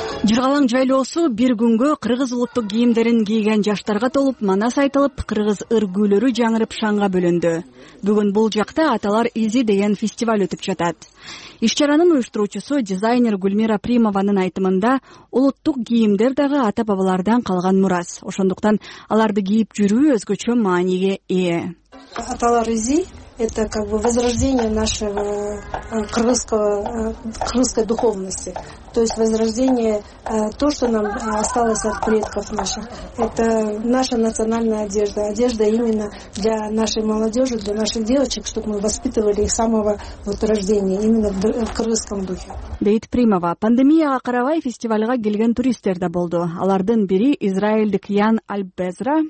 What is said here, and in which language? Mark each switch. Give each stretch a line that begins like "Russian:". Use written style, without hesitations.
Kyrgyz: Жыргалаң жайлоосу бир күнгө кыргыз улуттук кийимдерин кийген жаштарга толуп, манас айтылып, кыргыз ыргүүлөрү жаңырып шанга бөлөндү. Бүгүн бул жакта Аталар Изи деген фестиваль өтүп жатат. Иш чаранын уюштуруучусу дизайнер Гүлмира Примованын айтымында, улуттук кийимдер дагы ата бабалардан калган мурас. Ошондуктан аларды кийип жүрүү өзгөчө мааниге ээ.
Russian: Аталар Изи это как бы возрождение нашего кыргызской духовности. То есть возрождение то, что нам осталось от предков наших. Это наша национальная одежда. Одежда именно для нашей молодежи, для наших девочек, чтобы мы воспитывали их с самого вот рождения, именно в кыргызском духе.
Kyrgyz: Дейт Примова. Пандемияга карабай фестивальга келген туристтер да болду. Алардын бири израилдик Ян Альбезра.